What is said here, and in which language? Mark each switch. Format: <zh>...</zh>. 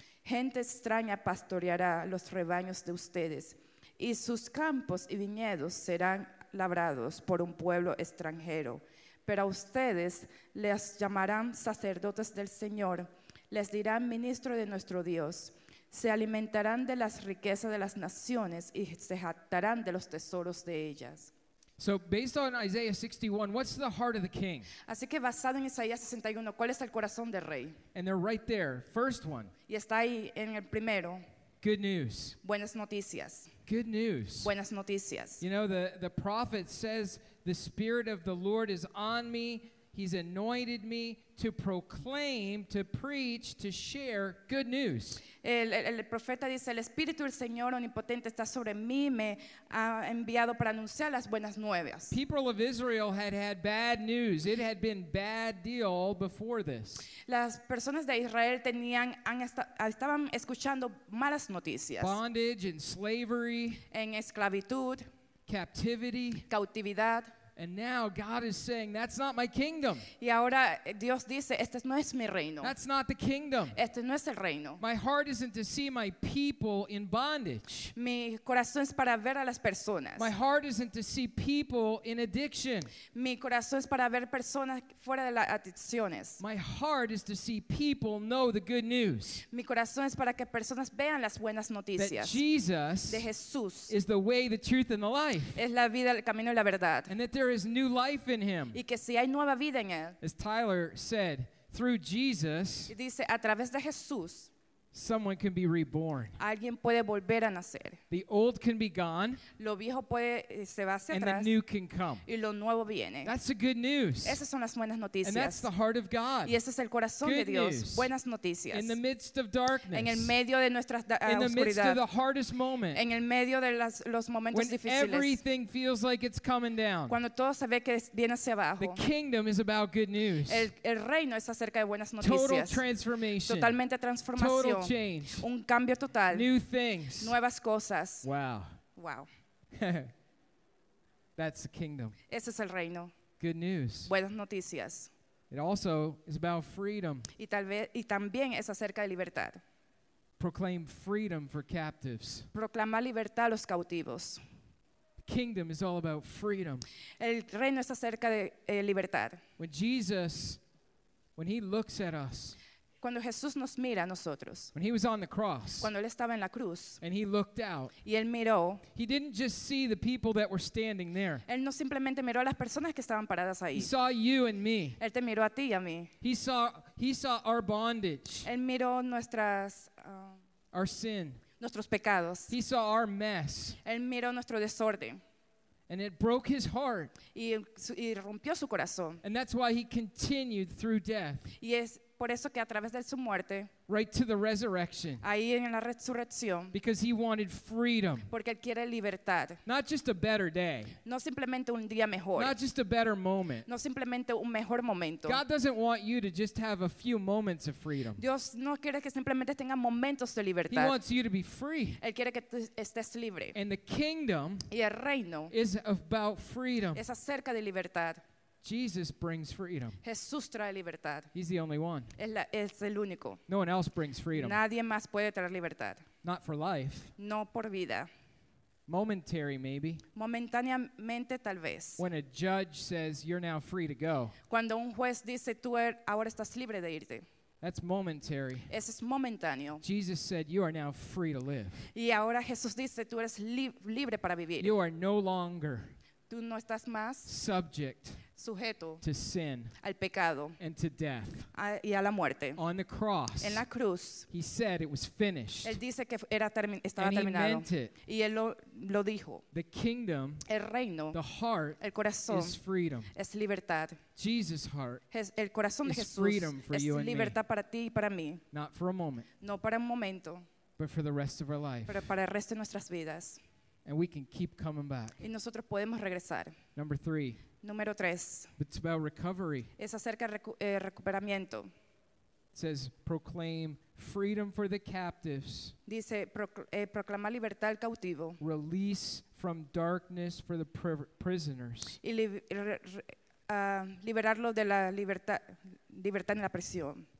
<es>Gente extraña pastoreará los rebaños de ustedes, y sus campos y viñedos serán labrados por un pueblo extranjero. Pero a ustedes les llamarán sacerdotes del Señor, les dirán ministro de nuestro Dios. Se alimentarán de las riquezas de las naciones y se jactarán de los tesoros de ellas.</es> <en>So based on Isaiah 61, what's the heart of the king?</en> <es>Así que basado en Isaías 61, ¿cuál es el corazón del rey?</es> <en>And they're right there, first one.</en> <es>Y está ahí en el primero.</es> <en>Good news.</en> <es>Buenas noticias.</es> <en>Good news.</en> <es>Buenas noticias.</es> <en>You know, the prophet says, the Spirit of the Lord is on me. He's anointed me to proclaim, to preach, to share good news.</en> <es>El profeta dice, el Espíritu del Señor omnipotente está sobre mí, me ha enviado para anunciar las buenas nuevas.</es> <en>People of Israel had bad news. It had been bad deal before this.</en> <es>Las personas de Israel estaban escuchando malas noticias.</es> <en>Bondage and slavery.</en> <es>En esclavitud.</es> <en>Captivity.</en> <es>Cautividad.</es> <en>And now God is saying, that's not my kingdom.</en> <es>Y ahora Dios dice, este no es mi reino.</es> <en>That's not the kingdom.</en> <es>Este no es el reino.</es> <en>My heart isn't to see my people in bondage.</en> <es>Mi corazón es para ver a las personas.</es> <en>My heart isn't to see people in addiction.</en> <es>Mi corazón es para ver personas fuera de las adicciones.</es> <en>My heart is to see people know the good news.</en> <es>Mi corazón es para que personas vean las buenas noticias.</es> <en>That Jesus</en> <es>de Jesús</es> <en>is the way, the truth, and the life.</en> <es>Es la vida, el camino y la verdad.</es> <en>And that there is new life in him.</en> <es>Y que si hay nueva vida en él.</es> <en>As Tyler said, through Jesus,</en> <es>y dice, a través de Jesús,</es> <en>someone can be reborn.</en> <es>Alguien puede volver a nacer.</es> <en>The old can be gone.</en> <es>Lo viejo puede, se va hacia</es> <en>and</en> <es>atrás,</es> <en>the new can come.</en> <es>Y lo nuevo viene.</es> <en>That's the good news.</en> <es>Esas son las buenas noticias.</es> <en>And that's the heart of God.</en> <es>Y ese es el corazón</es> <en>good</en> <es>de Dios.</es> <en>News.</en> <es>Buenas noticias.</es> <en>In the midst of darkness.</en> <es>En el medio de nuestras</es> <en>in the midst of the hardest moment.</en> <es>En el medio de los momentos</es> <en>when</en> <es>difíciles.</es> <en>Everything feels like it's coming down.</en> <es>Cuando todo se ve que viene hacia abajo.</es> <en>The kingdom is about good news.</en> <es>El reino es acerca de buenas noticias.</es> <en>Total transformation.</en> <es>Totalmente transformación.</es> <en>Total change.</en> <es>Un cambio total.</es> <en>New things.</en> <es>Nuevas cosas.</es> <en>Wow.</en> <es>Wow.</es> <en>That's the kingdom.</en> <es>Ese es el reino.</es> <en>Good news.</en> <es>Buenas noticias.</es> <en>It also is about freedom.</en> <es>Y también es acerca de libertad.</es> <en>Proclaim freedom for captives.</en> <es>Proclama libertad a los cautivos.</es> <en>The kingdom is all about freedom.</en> <es>El reino es acerca de libertad.</es> <en>When Jesus, when he looks at us,</en> <es>cuando Jesús nos mira a nosotros,</es> <en>when he was on the cross,</en> <es>cuando él estaba en la cruz,</es> <en>and he looked out,</en> <es>y él miró,</es> <en>he didn't just see the people that were standing there.</en> <es>Él no simplemente miró a las personas que estaban paradas ahí.</es> <en>He saw you and me.</en> <es>Él te miró a ti y a mí.</es> <en>He saw our bondage.</en> <es>Él miró nuestras</es> <en>our sin.</en> <es>Nuestros pecados.</es> <en>He saw our mess.</en> <es>Él miró nuestro desorden.</es> <en>And it broke his heart.</en> <es>Y rompió su corazón.</es> <en>And that's why he continued through death.</en> <es>Y es por eso que a través de su muerte,</es> <en>right to the resurrection,</en> <es>ahí en la resurrección,</es> <en>because he wanted freedom,</en> <es>porque él quiere libertad,</es> <en>not just a better day,</en> <es>no simplemente un día mejor,</es> <en>not just a better moment,</en> <es>no simplemente un mejor momento.</es> <en>God doesn't want you to just have a few moments of freedom.</en> <es>Dios no quiere que simplemente tenga momentos de libertad.</es> <en>He wants you to be free.</en> <es>Él quiere que tú estés libre.</es> <en>And the kingdom,</en> <es>y el reino,</es> <en>is about freedom.</en> <es>Es acerca de libertad.</es> <en>Jesus brings freedom.</en> <es>Jesús trae libertad.</es> <en>He's the only one.</en> <es>Es el único.</es> <en>No one else brings freedom.</en> <es>Nadie más puede traer libertad.</es> <en>Not for life.</en> <es>No por vida.</es> <en>Momentary, maybe.</en> <es>Momentáneamente, tal vez.</es> <en>When a judge says, you're now free to go.</en> <es>Cuando un juez dice, tú ahora estás libre de irte.</es> <en>That's momentary.</en> <es>Eso es momentáneo.</es> <en>Jesus said, you are now free to live.</en> <es>Y ahora Jesús dice, tú eres libre para vivir.</es> <en>You are no longer</en> <es>Tú no estás más</es> <en>subject</en> <es>sujeto</es> <en>to sin</en> <es>al pecado</es> <en>and to death.</en> <es>Y a la muerte.</es> <en>On the cross,</en> <es>en la cruz,</es> <en>he said it was finished.</en> <es>Él dice que era estaba</es> <en>and</en> <es>terminado.</es> <en>He meant it.</en> <es>Y él lo dijo.</es> <en>The kingdom,</en> <es>el reino,</es> <en>the heart,</en> <es>el corazón,</es> <en>is freedom.</en> <es>Es libertad.</es> <en>Jesus' heart</en> <es>el corazón de</es> <en>is</en> <es>Jesús</es> <en>freedom for</en> <es>es</es> <en>you and</en> <es>libertad</es> <en>me.</en> <es>Para ti y para mí.</es> <en>Not for a moment.</en> <es>No para un momento.</es> <en>But for the rest of our life.</en> <es>Pero para el resto de nuestras vidas.</es> <en>And we can keep coming back.</en> <es>Y nosotros podemos regresar.</es> <en>Number three.</en> <es>Número tres.</es> <en>It's about recovery.</en> <es>Es acerca de recuperamiento.</es> <en>It says, proclaim freedom for the captives.</en> <es>Dice, proclama libertad al cautivo.</es> <en>Release from darkness for the prisoners.</en> <es>Y liberarlo de la libertad en la prisión.</es>